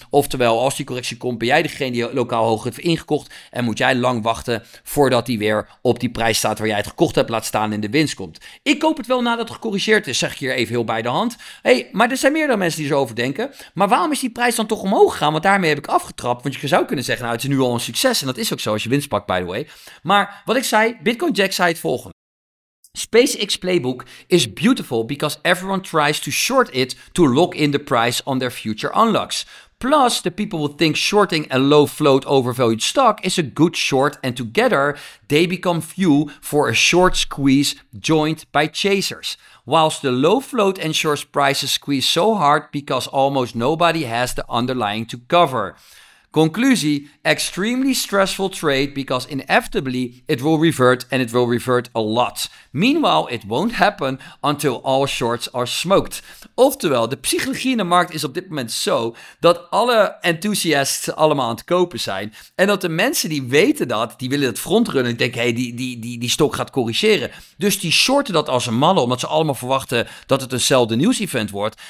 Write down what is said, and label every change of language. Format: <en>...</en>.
<nl>Oftewel, als die correctie komt, ben jij degene die lokaal hoog heeft ingekocht en moet jij lang wachten voordat die weer op die prijs staat waar jij het gekocht hebt, laat staan in de winst komt. Ik koop het wel nadat het gecorrigeerd is, zeg ik hier even heel bij de hand. Hey, maar er zijn meer dan mensen die zo overdenken. Maar waarom is die prijs dan toch omhoog gegaan? Want daarmee heb ik afgetrapt. Want je zou kunnen zeggen, nou, het is nu al een succes. En dat is ook zo als je winst pakt,</nl> <en>by the way.</en> <nl>Maar wat ik zei, Bitcoin Jack zei het volgende.</nl> <en>SpaceX playbook is beautiful because everyone tries to short it to lock in the price on their future unlocks. Plus, the people will think shorting a low float overvalued stock is a good short and together they become few for a short squeeze joined by chasers. Whilst the low float ensures prices squeeze so hard because almost nobody has the underlying to cover. Conclusie, extremely stressful trade because inevitably it will revert and it will revert a lot. Meanwhile, it won't happen until all shorts are smoked.</en> <nl>Oftewel, de psychologie in de markt is op dit moment zo dat alle enthousiasts allemaal aan het kopen zijn. En dat de mensen die weten dat, die willen het frontrunnen. Ik denk, hey, die stok gaat corrigeren. Dus die shorten dat als een malle, omdat ze allemaal verwachten dat het eenzelfde nieuws event wordt.</nl>